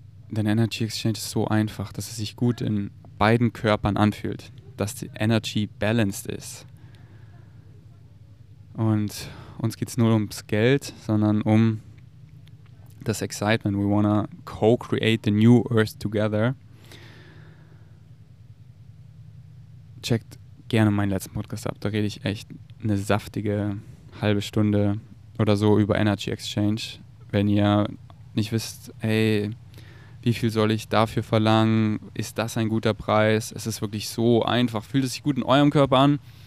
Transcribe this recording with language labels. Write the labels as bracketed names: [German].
[German] Denn Energy Exchange ist so einfach, dass es sich gut in beiden Körpern anfühlt. Dass die Energy balanced ist. Und uns geht es nur ums Geld, sondern um das Excitement. [English] We wanna co-create the new Earth together. [German] Checkt gerne meinen letzten Podcast ab. Da rede ich echt eine saftige halbe Stunde oder so über Energy Exchange. Wenn ihr nicht wisst, hey, wie viel soll ich dafür verlangen? Ist das ein guter Preis? Es ist wirklich so einfach. Fühlt es sich gut in eurem Körper an?